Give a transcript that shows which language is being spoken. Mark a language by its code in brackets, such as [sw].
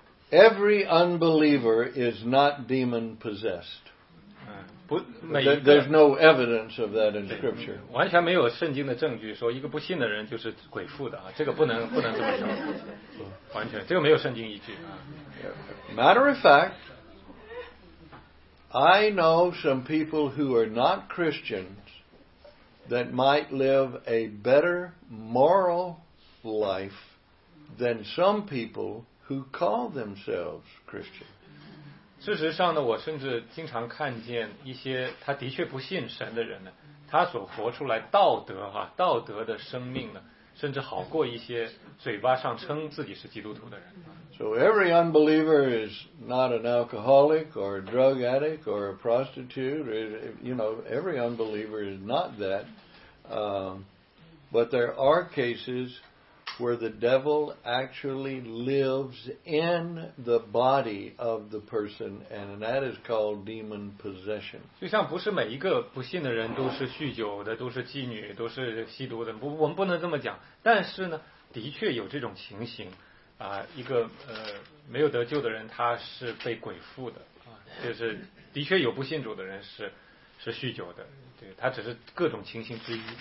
[en] Every unbeliever is not demon possessed. There's no evidence of that in scripture. [zh] 完全没有圣经的证据说一个不信的人就是鬼附的啊，这个不能这么说。完全，这个没有圣经依据啊。 [en] Matter of fact, I know some people who are not Christian. That might live a better moral life than some people who call themselves Christian. [zh] 事实上呢，我甚至经常看见一些他的确不信神的人呢，他所活出来道德的生命呢，甚至好过一些嘴巴上称自己是基督徒的人。 [en] So every unbeliever is not an alcoholic or a drug addict or a prostitute. You know, every unbeliever is not that. But there are cases where the devil actually lives in the body of the person, and that is called demon possession. [zh] 就像不是每一个不信的人都是酗酒的，都是妓女，都是吸毒的。我们不能这么讲。但是呢，的确有这种情形。一个没有得救的人他是被鬼附的啊，就是的确有不信主的人是酗酒的，对，他只是各种情形之一。